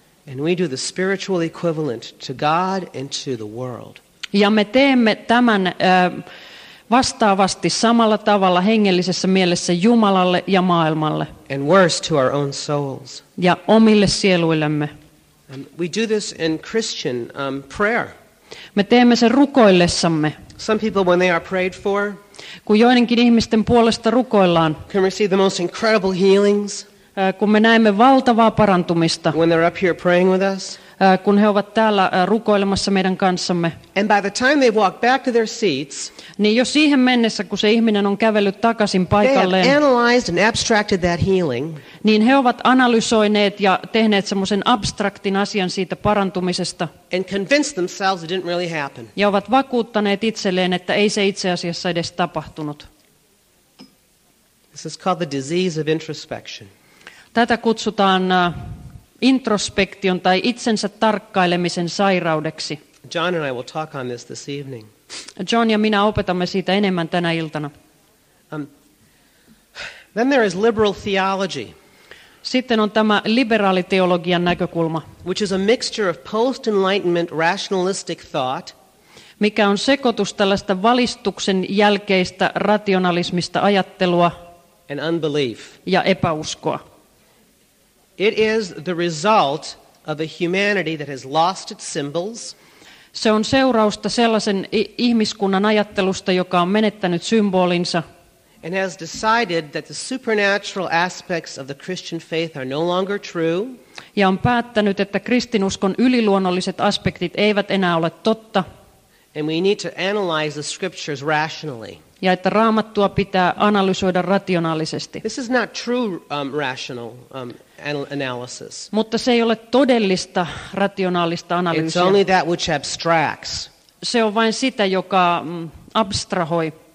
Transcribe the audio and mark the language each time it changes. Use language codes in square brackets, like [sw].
[en] And we do the spiritual equivalent to God and to the world. [fi] Ja me teemme tämän vastaavasti samalla tavalla hengellisessä mielessä Jumalalle ja maailmalle. [en] And worse to our own souls. [fi] Ja omille sieluillemme. [en] We do this in Christian prayer. [fi] Me teemme sen rukoillessamme. [en] Some people when they are prayed for, [fi] kun joidenkin ihmisten puolesta rukoillaan, [en] can receive the most incredible healings. [fi] Kun me näemme valtavaa parantumista. [en] When they're up here praying with us. [fi] Kun he ovat täällä rukoilemassa meidän kanssamme. [en] And by the time they walk back to their seats, [fi] niin jo siihen mennessä, kun se ihminen on kävellyt takaisin paikalleen, [en] they have analyzed and abstracted that healing, [fi] niin he ovat analysoineet ja tehneet semmoisen abstraktin asian siitä parantumisesta. [en] And convinced themselves it didn't really happen. [fi] Ja ovat vakuuttaneet itselleen, että ei se itse asiassa edes tapahtunut. [en] This is called the disease of introspection. [fi] Tätä kutsutaan introspektion tai itsensä tarkkailemisen sairaudeksi. [en] John and I will talk on this evening. [fi] John ja minä opetamme siitä enemmän tänä iltana. [en] Then there is liberal theology. [fi] Sitten on tämä liberaaliteologian näkökulma, [en] which is a mixture of post-enlightenment rationalistic thought, [fi] mikä on sekoitus tällaista valistuksen jälkeistä rationalismista ajattelua [en] and unbelief. [fi] Ja epäuskoa. [en] It is the result of a humanity that has lost its symbols. [fi] Se on seurausta sellaisen ihmiskunnan ajattelusta, joka on menettänyt symbolinsa. [en] And has decided that the supernatural aspects of the Christian faith are no longer true. [fi] Ja on päättänyt, että kristinuskon yliluonnolliset aspektit eivät enää ole totta. [en] And we need to analyze the scriptures rationally. [fi] Ja että Raamattua pitää analysoida rationaalisesti. [en] This is not true rational analysis. [fi] Mutta se ei ole todellista rationaalista analyysiä. [en] It's only that which abstracts. [fi] Se on vain sitä, joka abstrahoi.